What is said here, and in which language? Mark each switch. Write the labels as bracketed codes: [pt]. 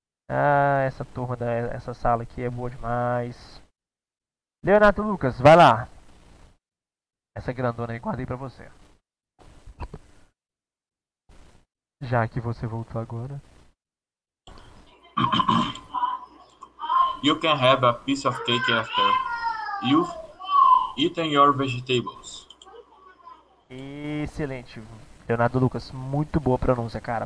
[pt] Ah, essa turma, essa sala aqui é boa demais. Leonardo Lucas, vai lá. Essa grandona aí guardei pra você. Já que você voltou agora. [en] You can have a piece of cake after you've eaten your vegetables. [pt] Excelente. Leonardo Lucas, muito boa pronúncia, cara.